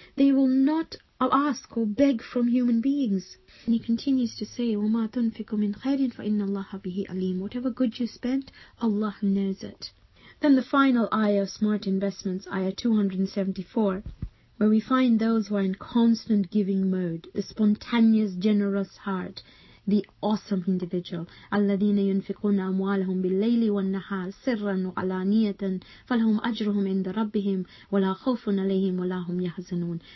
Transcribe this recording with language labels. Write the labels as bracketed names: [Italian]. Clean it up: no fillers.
[English] They will not ask or beg from human beings. And he continues to say, [Arabic] وَمَا تُنْفِقُ مِنْ خَيْرٍ فَإِنَّ اللَّهَ بِهِ أَلِيمٌ. [English] Whatever good you spent, Allah knows it. Then the final ayah of smart investments, ayah 274, where we find those who are in constant giving mode, the spontaneous, generous heart, the awesome individual. [Arabic] الَّذِينَ يُنْفِقُونَ أَمْوَالَهُمْ بِاللَّيْلِ وَالنَّهَارِ سِرًّا وَعَلَانِيَةً فَلَهُمْ أَجْرُهُمْ عِنْدَ رَبِّهِمْ وَلَا خَوْفٌ عَلَيْهِمْ وَلَا هُمْ يَحْزَنُونَ.